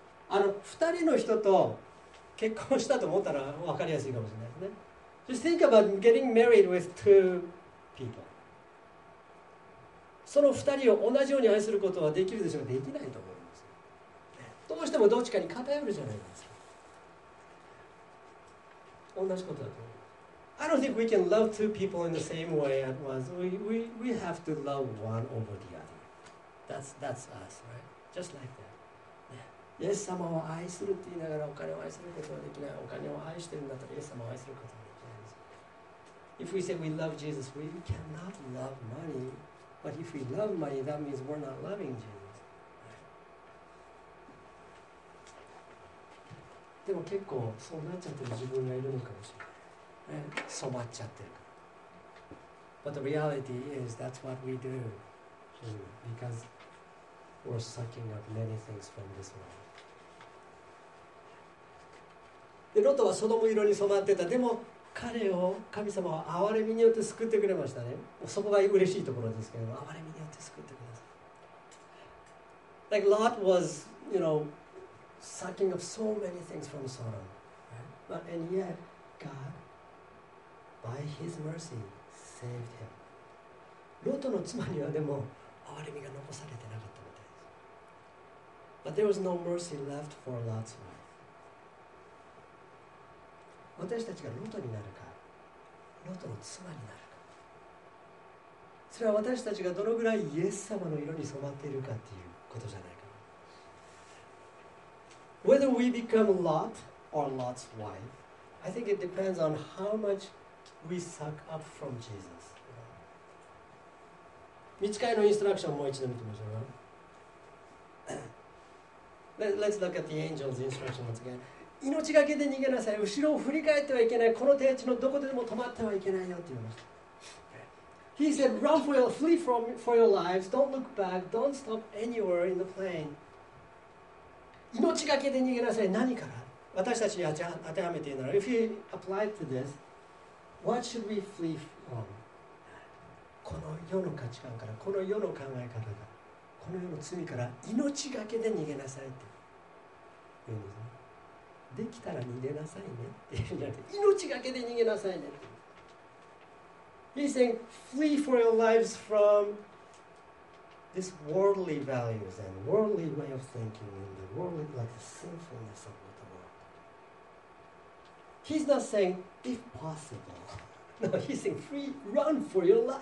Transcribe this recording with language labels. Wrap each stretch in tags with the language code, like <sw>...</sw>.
<ja>2人の人と結婚したと思ったら分かりやすいかもしれないですね。</ja> <en>Just think about getting married with two people.</en> <ja>その2人を同じように愛することはできるでしょうか？できないと思います。どうしてもどっちかに偏るじゃないですか。同じことだと思います。</ja> <en>I don't think we can love two people in the same way at once. We have to love one over the other. That's us, right? Just like that.</en> <ja>イエス様を愛するって言いながらお金を愛することはできない。お金を愛してるんだったらイエス様を愛することはできない。</ja> <en>If we say we love Jesus, we cannot love money. But if we love money, that means we're not loving Jesus. Right?</en> <ja>でも結構そうなっちゃってる自分がいるのかもしれない。染まっちゃってる。</ja> <en>But the reality is that's what we do because we're sucking up many things from this world.</en> <ja>でロトはソドム色に染まってた。でも彼を神様は憐れみによって救ってくれましたね。そこが嬉しいところですけれども、憐れみによって救ってくれました。</ja> <en>Like Lot was, you know, sucking up so many things from Sodom. But and yet GodBy His mercy, saved him.</en> <ja>ロトの妻にはでも憐れみが残されてなかったみたいです。</ja> <en>But there was no mercy left for Lot's wife.</en> <ja>私たちがロトになるか、ロトの妻になるか、それは私たちがどのぐらいイエス様の色に染まっているかっていうことじゃないか。</ja> <en>Whether we become Lot or Lot's wife, I think it depends on how muchWe suck up from Jesus.</en> <ja>見つかりのインストラクションをもう一度見てみましょう。</ja> <en>Let's look at the angel's instruction once again.</en> <ja>命がけで逃げなさい。後ろを振り返ってはいけない。この低地のどこでも止まってはいけないよって言いました。</ja> <en>He said, run for your, flee from, for your lives. Don't look back. Don't stop anywhere in the plain.</en> <ja>命がけで逃げなさい。何から？私たちに当てはめているなら。</ja> <en>If he applied to this,What should we flee from?</en> <ja>この世の価値観から、この世の考え方から、この世の罪から命がけで逃げなさいって言うんですね。できたら逃げなさいねって言うんじゃなくて、命がけで逃げなさいねって。</ja> <en>He's saying, flee for your lives from this worldly values and worldly way of thinking and the worldly, like the sinfulness of the world. He's not saying,If possible. No, he's saying, free, run for your life.</en>